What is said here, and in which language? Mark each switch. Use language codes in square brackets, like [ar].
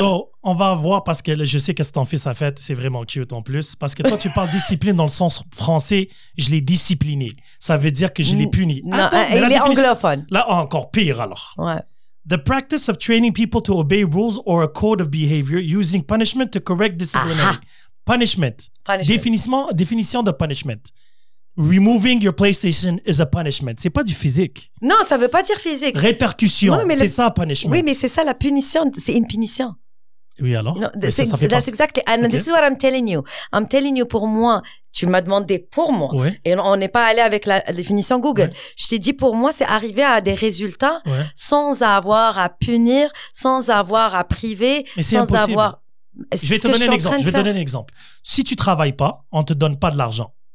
[fr] So, on va voir, parce que je sais que ton fils a fait, c'est vraiment cute en plus, parce que toi, tu parles discipline dans le sens français, je l'ai discipliné. Ça veut dire que je l'ai puni. Non, attends, mais il est anglophone. Là, encore pire, alors. Ouais. [en] The practice of training people to obey rules or a code of behavior using punishment to correct disciplinary. Punishment. Punishment. [fr] Définition de punishment. Removing your PlayStation is a punishment. C'est pas du physique. Non, ça veut pas dire physique. Répercussion. Non, mais c'est ça, punishment. Oui, mais c'est ça, la punition. C'est une punition. Oui, alors? [en] Non, that's exactly. And okay. This is what I'm telling you. [fr] I'm telling you, pour moi, tu m'as demandé pour moi. Oui. Et on n'est pas allé avec la définition Google. Oui. Je t'ai dit, pour moi, c'est arriver à des résultats oui. sans avoir à punir, sans avoir à priver, mais c'est sans impossible. Avoir. C'est je vais te donner un exemple. Si tu ne travailles pas, on ne te donne pas de l'argent.